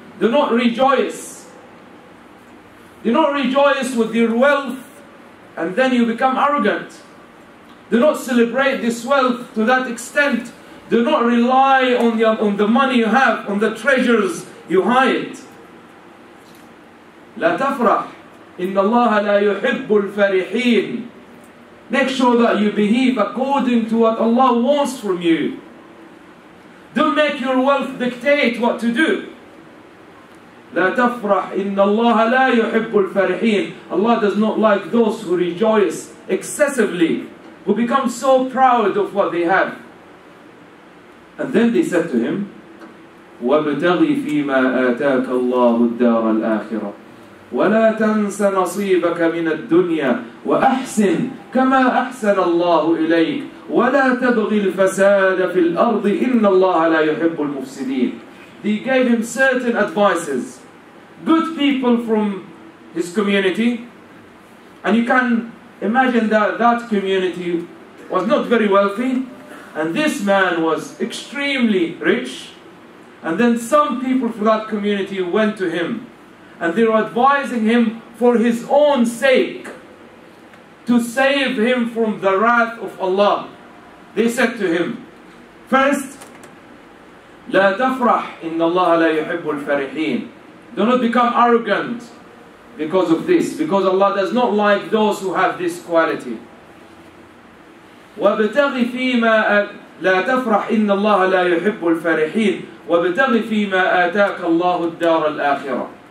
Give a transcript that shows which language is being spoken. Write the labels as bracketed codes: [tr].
[en] Do not rejoice. Do not rejoice with your wealth and then you become arrogant. Do not celebrate this wealth to that extent. Do not rely on the money you have, on the treasures you hide. [ar] لا تفرح إن الله لا يحب الفرحين. [en] Make sure that you behave according to what Allah wants from you. Don't make your wealth dictate what to do. [ar] لا تفرح إن الله لا يحب الفرحين. [en] Allah does not like those who rejoice excessively, who become so proud of what they have. And then they said to him, [ar] وَابْتَغِي فِي مَا آتَاكَ اللَّهُ الدَّارَ الْآخِرَةِ وَلَا تَنْسَ نَصِيبَكَ مِنَ الدُّنْيَا وَأَحْسِنْ كَمَا أَحْسَنَ اللَّهُ إِلَيْكَ وَلَا تَبْغِي الْفَسَادَ فِي الْأَرْضِ إِنَّ اللَّهَ لَا يُحِبُّ الْمُفْسِدِينَ. [en] They gave him certain advices. Good people from his community. And you can imagine that community was not very wealthy. And this man was extremely rich. And then some people from that community went to him. And they were advising him for his own sake, to save him from the wrath of Allah. They said to him, first, [ar] لا تفرح إن الله لا يحب الفرحين. [en] Do not become arrogant because of this. Because Allah does not like those who have this quality. [ar] وَابْتَغِ فِي مَا لَا تَفْرَحْ إِنَّ اللَّهَ لَا يُحِبُّ الْفَرِحِينَ وَابْتَغِ فِي مَا آتَاكَ اللَّهُ الدَّارَ الْآخِرَةِ.